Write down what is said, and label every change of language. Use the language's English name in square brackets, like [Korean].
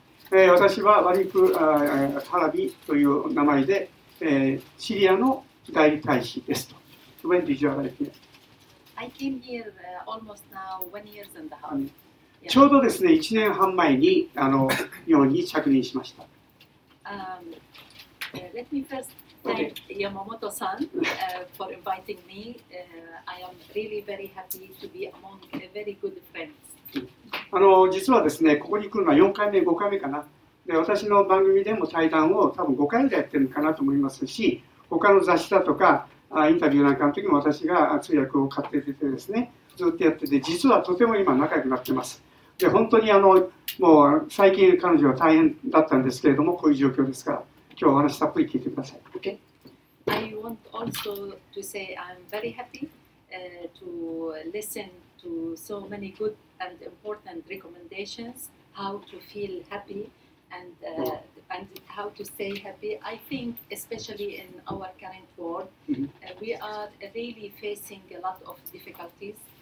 [Japanese] 私はワリフ・ハラビという名前で、シリアの代理大使ですと。 [English] When did you arrive here? I came here almost now 1 year and a half. [Japanese] ちょうどですね、1年半前に日本に着任しました。 [English] Let me first thank Yamamoto-san for inviting me. I am really very happy to be among very good friends. [Japanese] 実はですね、ここに来るのは4回目、5回目かな。で、私の番組でも対談を多分5回ぐらいやってるかなと思いますし、他の雑誌だとかインタビューなんかの時も私が通訳を買って出てですね、ずっとやってて、実はとても今仲良くなってます。で、本当にもう最近彼女は大変だったんですけれども、こういう状況ですから、今日お話たっぷり聞いてください。 [English] Okay. I want also to say I'm very happy to listen to so many good and important recommendations, how to feel happy and how to stay happy. I think especially in our current world, we are really facing a lot of difficulties.